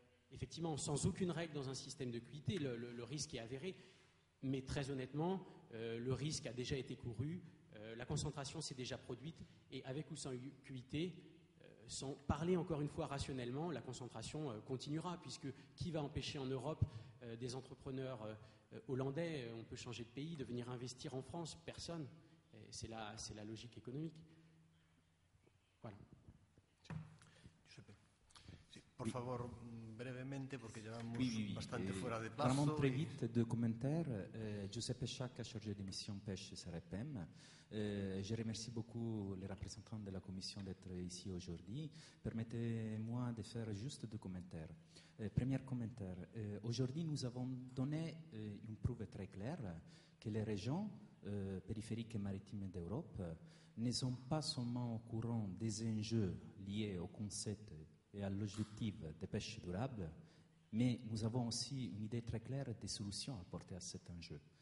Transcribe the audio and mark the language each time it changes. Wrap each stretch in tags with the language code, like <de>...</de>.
<fr>effectivement, sans aucune règle dans un système de QIT, le risque est avéré, mais très honnêtement, le risque a déjà été couru, la concentration s'est déjà produite, et avec ou sans QIT, sans parler encore une fois rationnellement, la concentration continuera, puisque qui va empêcher en Europe des entrepreneurs hollandais, on peut changer de pays, de venir investir en France? Personne. C'est la logique économique. Voilà. Giuseppe.</fr> <es>Sí, por favor, brevemente, porque llevamos bastante fuera de plazo.</es> <fr>Vraiment très vite, deux commentaires. Giuseppe Sciacca, chargé des missions pêche SAREPEM. Je remercie beaucoup les représentants de la commission d'être ici aujourd'hui. Permettez-moi de faire juste deux commentaires. Premier commentaire. Aujourd'hui, nous avons donné une preuve très claire que les régions périphériques et maritimes d'Europe ne sont pas seulement au courant des enjeux liés au concept et à l'objectif de pêche durable, mais nous avons aussi une idée très claire des solutions apportées à cet enjeu.</fr>